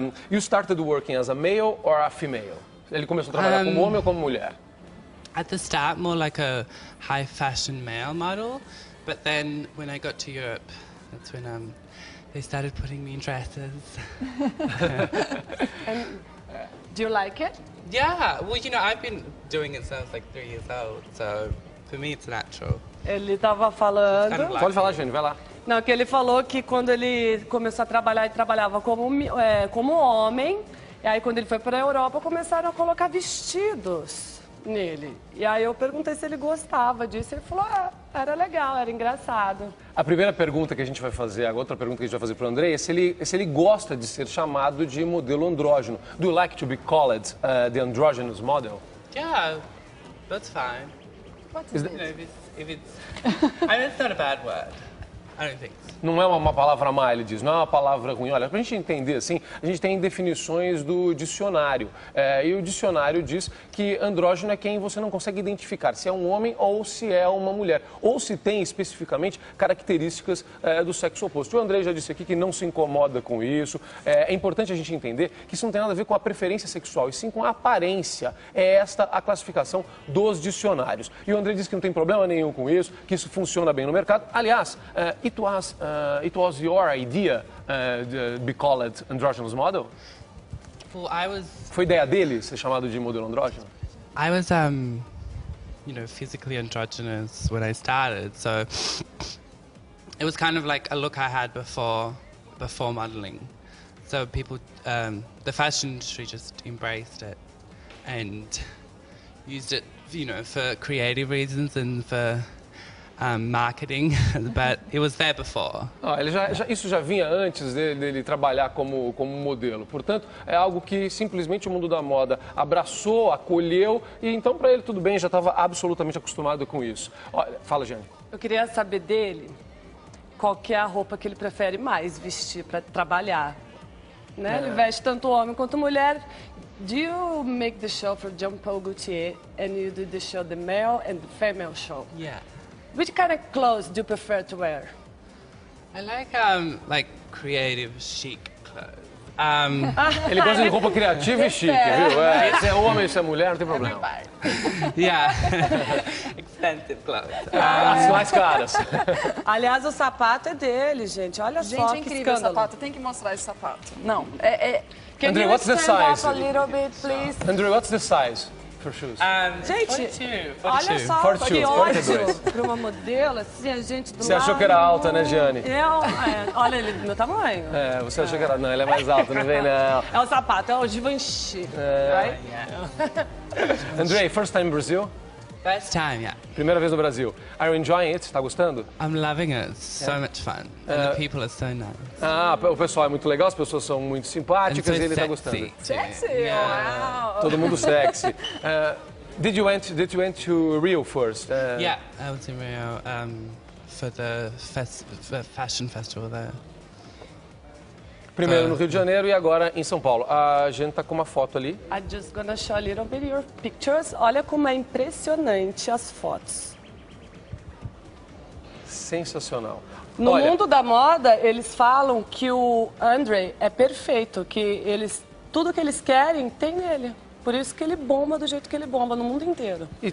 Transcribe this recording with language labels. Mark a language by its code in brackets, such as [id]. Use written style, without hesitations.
[en] You started working as a male or a female? [pt] Ele começou a trabalhar como homem ou como mulher? [en] At the start, more like a high fashion male model. But then, when I got to Europe, that's when they started putting me in dresses. And do you like it? Yeah. Well, you know, I've been doing it since I was like 3 years old, so for me it's natural. [pt] Ele tava falando. Pode falar, gente, vai lá. Não, que ele falou que quando ele começou a trabalhar, ele trabalhava como homem. E aí, quando ele foi para a Europa, começaram a colocar vestidos nele. E aí eu perguntei se ele gostava disso. Ele falou, era legal, era engraçado. A primeira pergunta que a gente vai fazer, a outra pergunta que a gente vai fazer para o Andrei, é se ele gosta de ser chamado de modelo andrógeno. [en] Do you like to be called the androgynous model? Yeah, that's fine. What's it? I mean, it's not a bad word. I don't think so. [pt] Não é uma palavra má, ele diz, não é uma palavra ruim. Olha, pra gente entender assim, a gente tem definições do dicionário. E o dicionário diz que andrógeno é quem você não consegue identificar, se é um homem ou se é uma mulher. Ou se tem especificamente características do sexo oposto. O André já disse aqui que não se incomoda com isso. É importante a gente entender que isso não tem nada a ver com a preferência sexual, e sim com a aparência. É esta a classificação dos dicionários. E o André diz que não tem problema nenhum com isso, que isso funciona bem no mercado. Aliás, [en] It was your idea to be called androgynous model? Well, I was. [pt] Foi ideia dele ser chamado de modelo andrógeno? [en] I was, you know, physically androgynous when I started, so it was kind of like a look I had before modeling. So people, the fashion industry just embraced it and used it, you know, for creative reasons and for marketing, but it was there before. [pt] Ah, ele já, isso já vinha antes dele trabalhar como modelo. Portanto, é algo que simplesmente o mundo da moda abraçou, acolheu, e então para ele tudo bem, já estava absolutamente acostumado com isso. Olha, fala, Jane. Eu queria saber dele qual que é a roupa que ele prefere mais vestir para trabalhar. Né? É. Ele veste tanto homem quanto mulher. [en] Do you make the show for Jean-Paul Gaultier and you do the show the male and the female show? Yeah. Which kind of clothes do you prefer to wear? I like creative, chic clothes. [pt] Ele gosta de roupa criativa e chique, viu? Se é homem, se é mulher, não tem problema. [en] Yeah. Expensive clothes. [pt] As mais caras. Aliás, o sapato é dele, gente. Olha gente, só é incrível, que escândalo. O sapato. Tem que mostrar esse sapato. Não. [en] Can Andrei, what's the size? Up a little bit, please? Andrei, what's the size? For shoes. [pt] Gente, [en] 42. [pt] Olha só, que ódio para uma modelo assim, a gente do você lado... achou que era alta, né, Jane? Olha ele do meu tamanho. Você achou que era... Não, ele é mais alto, não vem, não. É o sapato, é o Givenchy, [en] right? Andrei, first time in Brazil? First time, yeah. [pt] Primeira vez no Brasil. [en] Are you enjoying it? [pt] Está gostando? [en] I'm loving it. So much fun. And the people are so nice. [pt] Ah, o pessoal é muito legal, as pessoas são muito simpáticas [en] and so [pt] e ele está gostando. [en] Sexy. Yeah. Wow. [pt] Todo mundo sexy. [en] Did you went to Rio first? Yeah, I was in Rio for the fashion festival there. [pt] Primeiro no Rio de Janeiro e agora em São Paulo. A gente tá com uma foto ali. [en] I'm just gonna show a little bit of your pictures. [pt] Olha como é impressionante as fotos. Sensacional. No Olha, mundo da moda, eles falam que o André é perfeito, que eles tudo que eles querem tem nele. Por isso que ele bomba do jeito que ele bomba no mundo inteiro.